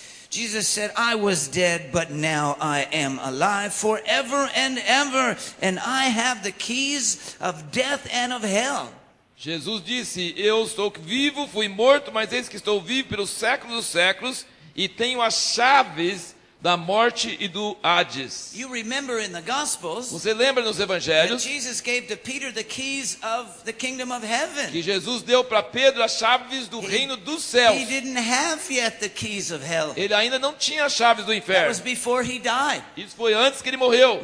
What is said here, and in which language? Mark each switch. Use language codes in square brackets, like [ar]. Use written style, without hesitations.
[en] Jesus said, I was dead, but now I am alive forever and ever, and I have the keys of death and of hell. [pt] Jesus disse: Eu estou vivo, fui morto, mas eis que estou vivo pelos séculos dos séculos, e tenho as chaves da morte e do Hades. [en] You remember in the Gospels, [pt] você lembra nos Evangelhos [en] Jesus gave to Peter the keys of the kingdom of heaven. [pt] Que Jesus deu para Pedro as chaves do reino dos céus. [en] He didn't have yet the keys of hell. [pt] Ele ainda não tinha as chaves do inferno. [en] That was before he died. [pt] Isso foi antes que ele morreu.